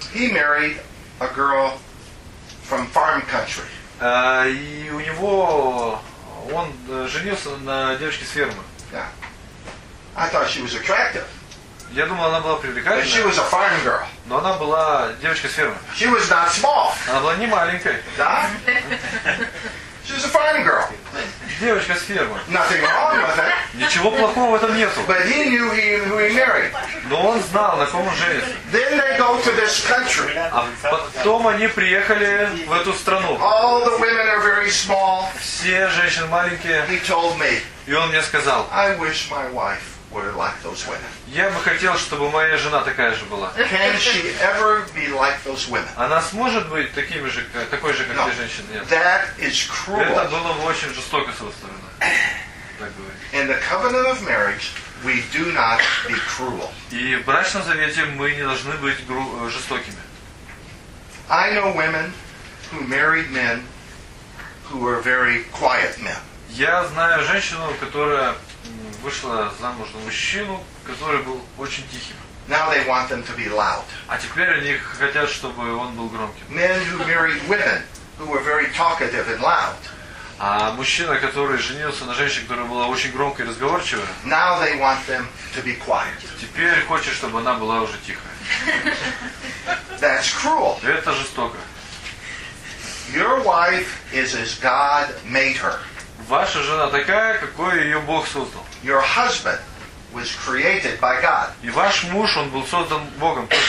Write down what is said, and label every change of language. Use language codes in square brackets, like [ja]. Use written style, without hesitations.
[en] He married a girl from farm country. [ru] И у него он женился на девочке с фермы. [en] Yeah. I thought she was attractive. [ru] Я думал, она была привлекательная. [en] She was a farm girl. [ru] Но она была девочка с фермы. [en] She was not small. [ru] Она была не маленькой. Да? [en] She was a farm girl. [ru] Девочка с фермы. [en] Nothing wrong with it. [ru] Ничего плохого в этом нету. [en] But he knew who he married. [ru] Но он знал, на ком он женится. [en] Then they go to this country. [ru] А потом они приехали в эту страну. [en] All the women are very small. [ru] Все женщины маленькие. [en] He told me. [ru] И он мне сказал. [en] I wish my wife were like those women. [ru] Я бы хотел, чтобы моя жена такая же была. [en] Can she ever be like those women? [ru] Она сможет быть такими же, такой же, как те женщины? Нет. [en] That is cruel. [ru] Это было бы очень жестоко с его стороны. [en] In the covenant of marriage, we do not be cruel. [ru] И в брачном завете мы не должны быть жестокими. [en] I know women who married men who were very quiet men. [ru] Я знаю женщину, которая вышла замуж за мужчину, который был очень тихим. [en] Now they want them to be loud. [ru] А теперь они хотят, чтобы он был громким. [en] Men who married women who were very talkative and loud. [ru] А мужчина, который женился на женщине, которая была очень громкой и разговорчивой, [en] now they want them to be quiet. [ru] Теперь хочет, чтобы она была уже тихая. [en] That's cruel. [ru] Это жестоко. [en] Your wife is as God made her. [ru] Ваша жена такая, какой ее Бог создал. [en] Your husband was created by God. [ru] И ваш муж, он был создан Богом.